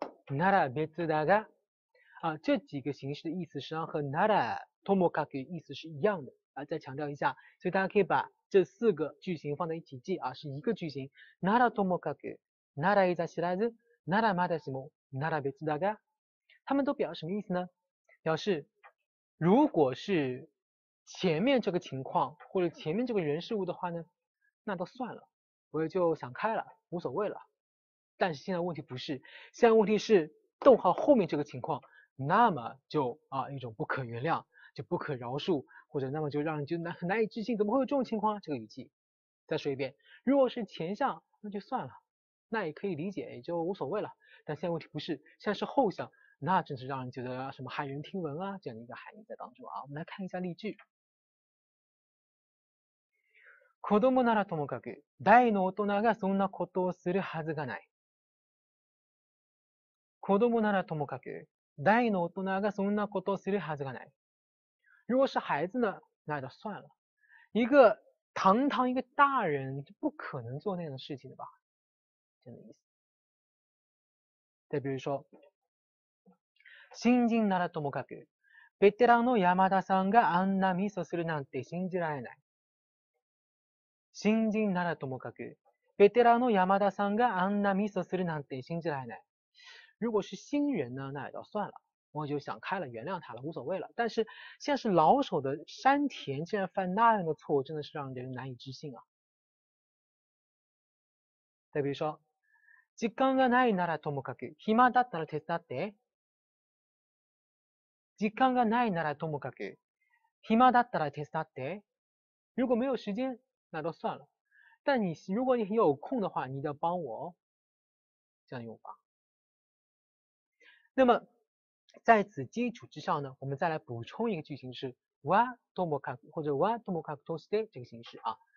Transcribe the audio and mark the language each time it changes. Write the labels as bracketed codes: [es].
[ja] なら別だが。 [zh] 啊，这几个形式的意思实际上和ならともかく意思是一样的啊，再强调一下，所以大家可以把这四个句型放在一起记啊，是一个句型。 [ja] ならともかく、ならいざ知らず、ならまだしも、なら別だが。 [zh] 他们都表示什么意思呢？表示如果是前面这个情况或者前面这个人事物的话呢，那都算了，我就想开了，无所谓了。但是现在问题不是，现在问题是逗号后面这个情况，那么就啊一种不可原谅，就不可饶恕，或者那么就让人就难以置信，怎么会有这种情况？这个语气。再说一遍，如果是前项，那就算了，那也可以理解，也就无所谓了。但现在问题不是，现在是后项，那真是让人觉得什么骇人听闻啊，这样的一个含义在当中啊。我们来看一下例句。 [ja] 子供ならともかく、大の大人がそんなことをするはずがない。子供ならともかく、大の大人がそんなことをするはずがない。 [zh] 如果是孩子呢，那就算了。一个堂堂一个大人，就不可能做那样的事情的吧？这样的意思。再比如说， [ja] 新人ならともかく、ベテランの山田さんがあんなミスをするなんて信じられない。新人ならともかく、ベテランの山田さんがあんなミスをするなんて信じられない。 [zh] 如果是新人呢，那也倒算了，我就想开了，原谅他了，无所谓了。但是现在是老手的山田，竟然犯那样的错误，真的是让人难以置信啊。再比如说， [ja] 時間がないならともかく、暇だったら手伝って。時間がないならともかく、暇だったら手伝って。 [zh] 如果没有时间，那都算了，但你如果你很有空的话，你一定要帮我，这样用法。那么在此基础之上呢，我们再来补充一个句型是わともかく或者わともかくとして这个形式啊。